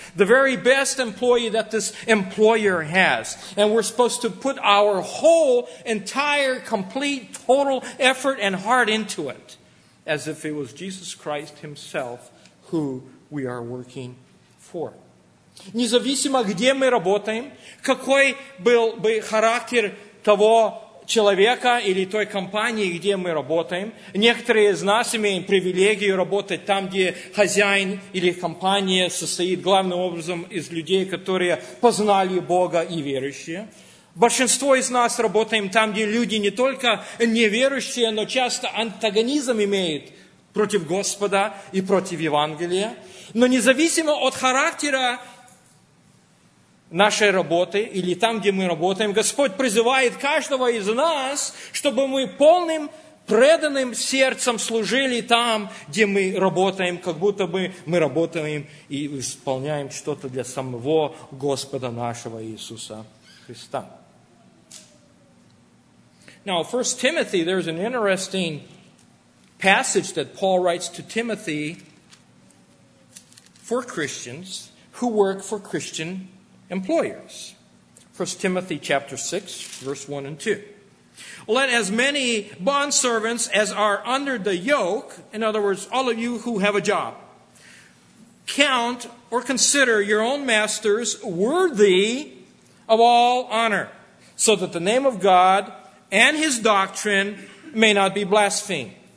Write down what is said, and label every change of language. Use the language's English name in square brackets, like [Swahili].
[English] The very best employee that this employer has. And we're supposed to put our whole, entire, complete, total effort and heart into it, as if it was Jesus Christ himself who we are working for. [Russian] Независимо где мы работаем, какой был бы характер того человека или той компании, где мы работаем. Некоторые из нас имеют привилегию работать там, где хозяин или компания состоит главным образом из людей, которые познали Бога и верующие. Большинство из нас работаем там, где люди не только неверующие, но часто антагонизм имеют против Господа и против Евангелия. Но независимо от характера нашей работы или там, где мы работаем, Господь призывает каждого из нас, чтобы мы полным преданным сердцем служили там, где мы работаем, как будто бы мы работаем и исполняем что-то для самого Господа нашего Иисуса Христа. [English] Now, 1 Timothy, there's an interesting passage that Paul writes to Timothy for Christians who work for Christian employers. 1 Timothy chapter 6, verse 1 and 2. "Let as many bondservants as are under the yoke," in other words, all of you who have a job, "count or consider your own masters worthy of all honor, so that the name of God and his doctrine may not be blasphemed.